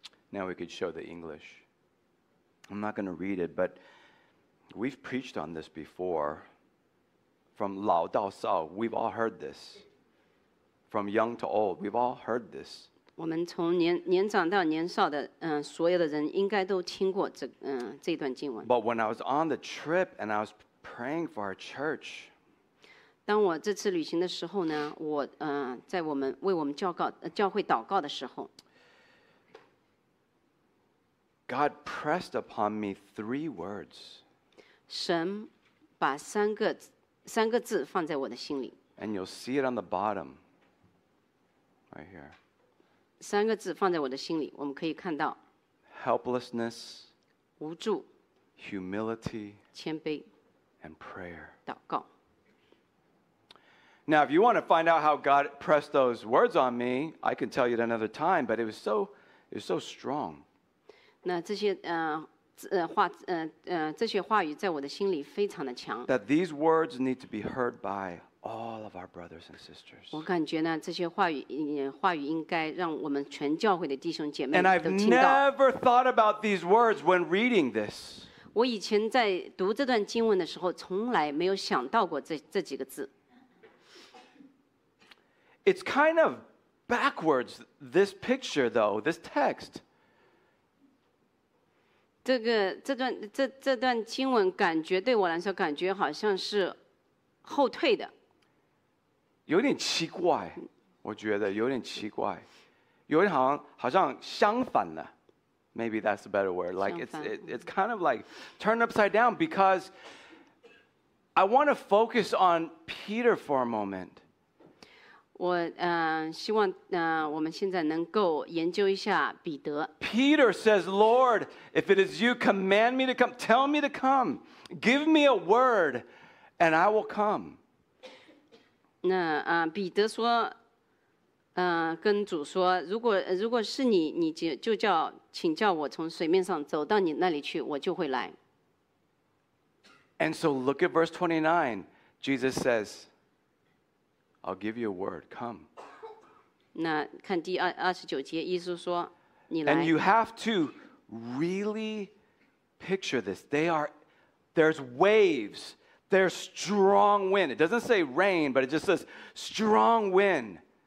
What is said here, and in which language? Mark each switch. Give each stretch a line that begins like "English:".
English: Now we could show the English. I'm not going to read it, but we've preached on this before. From
Chinese: 老到少,
English: we've all heard this. From young to old, we've all heard this.
Chinese: 我们从 年长到年少的、所有的人应该都听过 这段经文。
English: But when I was on the trip and I was praying for our church,
Chinese: 当我这次旅行的时候呢，我、在我们为我们 教会祷告的时候，
English: God pressed upon me three words.
Chinese: 神把三个字放在我的心里。
English: And you'll see it on the bottom, right here.
Chinese: 三个字放在我的心里，我们可以看到。
English: Helplessness.
Chinese: 无助。
English: Humility.
Chinese: 谦卑。
English: And prayer.
Chinese: 祷告。
English: Now, if you want to find out how God pressed those words on me, I can tell you at another time. But it was so strong.
Chinese: 那这些话这些话语在我的心里非常的强。
English: That these words need to be heard by all of our brothers and sisters.
Chinese: 我感觉呢，这些话语应该让我们全教会的弟兄姐妹都听到。
English: And I've never thought about these words when reading this.
Chinese: 我以前在读这段经文的时候，从来没有想到过这几个字。
English: It's kind of backwards, this picture though, this text.
Chinese: 这段经文感觉对我来说感觉好像是后退的，有点奇怪，我觉得有点奇怪，有点好像相反的。
English: Maybe that's a better word. Like it's kind of like turned upside down because I want to focus on Peter for a moment.
Chinese: 我、希望、我们现在能够研究一下彼得。
English: Peter says, Lord, if it is you, command me to come. Tell me to come. Give me a word, and I will come.
Chinese: 那、彼得说、跟主说，如果是你，你就叫请叫我从水面上走到你那里去，我就会来。
English: And so look at verse 29. Jesus says,I'll give you a word. Come.
Chinese: 那看第二十九节，耶稣说，你来。
English: And you have to really picture this. There's waves. There's strong wind. It doesn't say rain, but it just says strong wind.